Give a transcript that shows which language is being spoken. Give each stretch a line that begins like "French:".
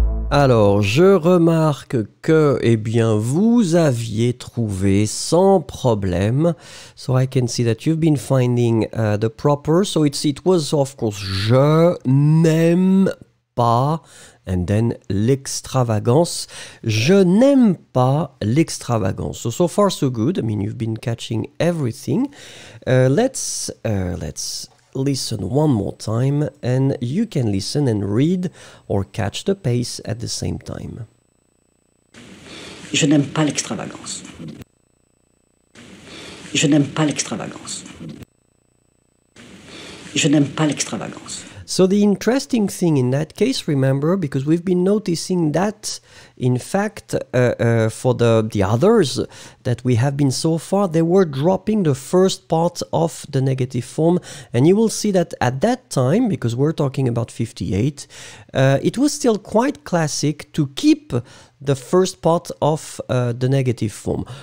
French: Alors, je remarque que, vous aviez trouvé sans problème.
English: So I can see that you've been finding the proper. So it was, of course,
French: je n'aime pas,
English: and then l'extravagance.
French: Je n'aime pas l'extravagance.
English: So far, so good. I mean, you've been catching everything. Let's listen one more time, and you can listen and read or catch the pace at the same time.
French: Je n'aime pas l'extravagance. Je n'aime pas l'extravagance. Je n'aime pas l'extravagance.
English: So the interesting thing in that case, remember, because we've been noticing that, in fact, for the others that we have been so far, they were dropping the first part of the negative form. And you will see that at that time, because we're talking about 58, it was still quite classic to keep the first part of the negative form.